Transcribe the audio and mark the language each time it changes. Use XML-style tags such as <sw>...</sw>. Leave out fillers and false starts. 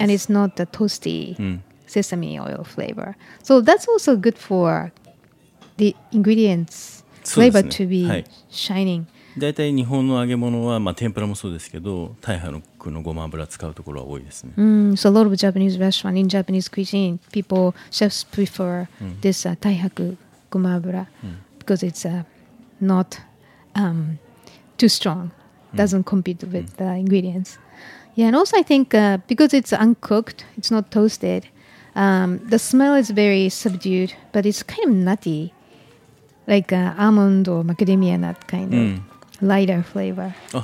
<en>and it's not the toasty.、Sesame oil flavor. So that's also good for the ingredients flavor、ね、 to be、</en> <ja>はい、</ja> <en>shining.</en> <ja>だいたい日本の揚げ物は、まあ、天ぷらもそうですけど、大半のごま油使うところは多いですね。</ja> <en>So a lot of Japanese restaurant in Japanese cuisine, people, chefs prefer this 大半ごま油、 because it's not too strong. Doesn't compete with the ingredients. Yeah, and also I think because it's uncooked, it's not toasted, the smell is very subdued, but it's kind of nutty, like almond or macadamia nut kind of lighter flavor.</en>